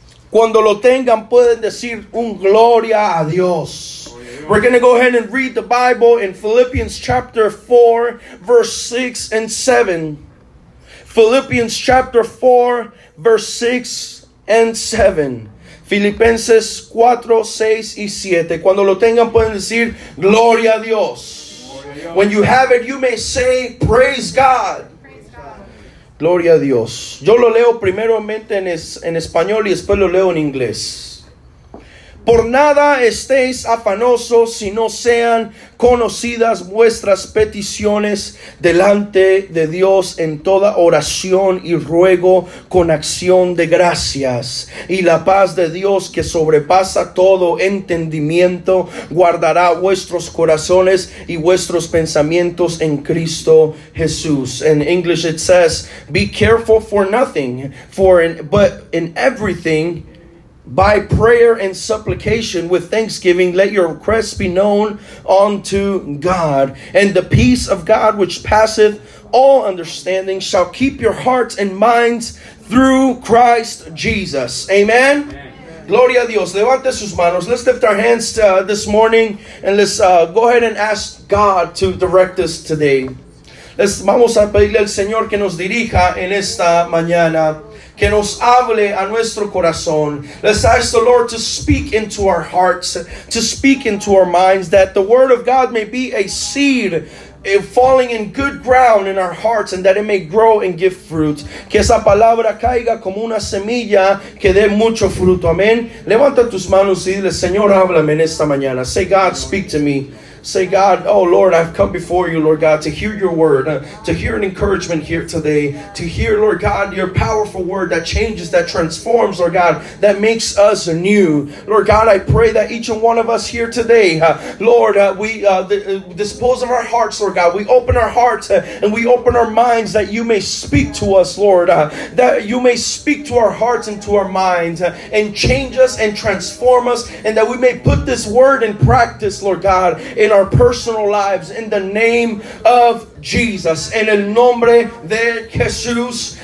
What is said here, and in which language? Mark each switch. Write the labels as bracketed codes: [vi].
[es] Cuando lo tengan, pueden decir un gloria a Dios. [en] We're going to go ahead and read the Bible in Philippians chapter 4, verse 6 and 7. Philippians chapter 4, verse 6 and 7. [es] Filipenses 4, 6 y 7. Cuando lo tengan, pueden decir gloria a Dios. [en] When you have it, you may say praise God. [es] Gloria a Dios. Yo lo leo primeramente en español y después lo leo en inglés. Por nada estéis afanosos si no sean conocidas vuestras peticiones delante de Dios en toda oración y ruego con acción de gracias. Y la paz de Dios que sobrepasa todo entendimiento guardará vuestros corazones y vuestros pensamientos en Cristo Jesús. [en] In English it says, be careful for nothing, but in everything, by prayer and supplication with thanksgiving, let your requests be known unto God. And the peace of God, which passeth all understanding, shall keep your hearts and minds through Christ Jesus. [es] Amen? Amen. Gloria a Dios. Levante sus manos. [en] Let's lift our hands this morning and let's go ahead and ask God to direct us today. [es] Vamos a pedirle al Señor que nos dirija en esta mañana. Que nos hable a nuestro corazón. [en] Let's ask the Lord to speak into our hearts, to speak into our minds, that the word of God may be a seed falling in good ground in our hearts, and that it may grow and give fruit. [es] Que esa palabra caiga como una semilla que dé mucho fruto. Amén. Levanta tus manos y dile, Señor, háblame en esta mañana. [en] Say, God, speak to me. Say, God, oh, Lord, I've come before you, Lord God, to hear your word, to hear an encouragement here today, to hear, Lord God, your powerful word that changes, that transforms, Lord God, that makes us new. Lord God, I pray that each and one of us here today, Lord, dispose of our hearts, Lord God. We open our hearts and we open our minds that you may speak to us, Lord, that you may speak to our hearts and to our minds and change us and transform us, and that we may put this word in practice, Lord God, in our personal lives, in the name of Jesus, [es] en el nombre de Jesús.